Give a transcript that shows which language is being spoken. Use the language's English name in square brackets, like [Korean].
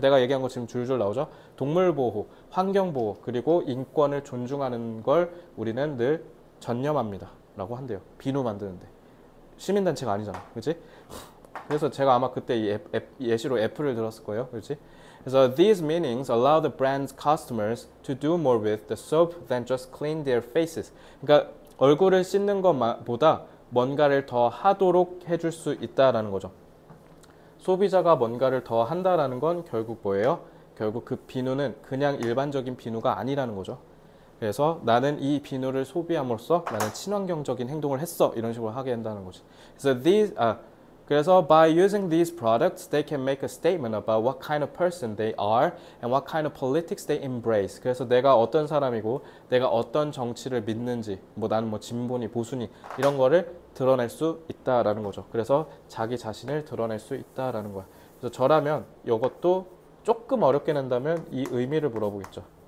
[Korean] 내가 얘기한 거 지금 줄줄 나오죠? 동물 보호, 환경 보호, 그리고 인권을 존중하는 걸 우리는 늘 전념합니다라고 한대요. 비누 만드는데 시민단체가 아니잖아, 그렇지? 그래서 제가 아마 그때 예시로 애플을 들었을 거예요, 그렇지? [English] So these meanings allow the brand's customers to do more with the soap than just clean their faces. [Korean] 그러니까 얼굴을 씻는 것보다 뭔가를 더 하도록 해줄 수 있다라는 거죠. 소비자가 뭔가를 더 한다라는 건 결국 뭐예요? 결국 그 비누는 그냥 일반적인 비누가 아니라는 거죠. 그래서 나는 이 비누를 소비함으로써 나는 친환경적인 행동을 했어. 이런 식으로 하게 된다는 거지. 그래서 [English] by using these products, they can make a statement about what kind of person they are and what kind of politics they embrace. [Korean] 그래서 내가 어떤 사람이고, 내가 어떤 정치를 믿는지, 뭐 나는 뭐 진보니 보수니 이런 거를 드러낼 수 있다라는 거죠. 그래서 자기 자신을 드러낼 수 있다라는 거야. 그래서 저라면 이것도 조금 어렵게 낸다면 이 의미를 물어보겠죠.